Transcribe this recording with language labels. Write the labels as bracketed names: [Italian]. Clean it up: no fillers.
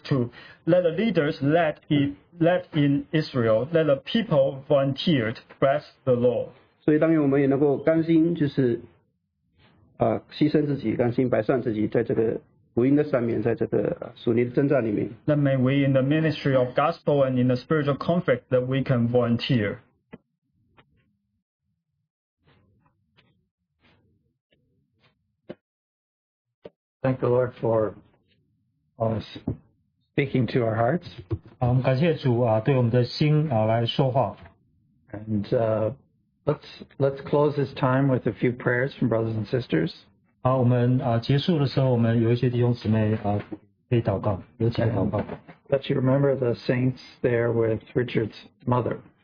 [English] 2, let the leaders led in Israel, let the people volunteered, bless the Lord. [Chinese] 所以当然我们也能够甘心就是牺牲自己，甘心百善自己，在这个福音的上面，在这个属灵的征战里面。 [English] Then may we in the ministry of gospel and in the spiritual conflict that we can volunteer. Thank the Lord for speaking to our hearts. [Chinese] 感谢主对我们的心来说话。 [English] And let's close this time with a few prayers from brothers and sisters. [Chinese] 我们结束的时候，我们有一些弟兄姊妹可以祷告，有请祷告。 [English] Let you remember the saints there with Richard's mother.